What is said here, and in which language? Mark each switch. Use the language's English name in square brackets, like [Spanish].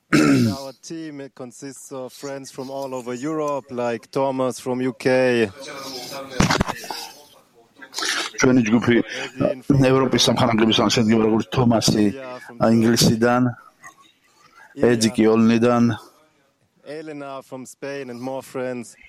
[English] our team consists of friends from all over Europe like Thomas from UK [Georgian] ჩვენი ჯგუფი ევროპის სამხანაგებიდან შედგება როგორც თომასი ინგლისიდან ედი კი ოლნიდან [English] ელენა from Spain and more friends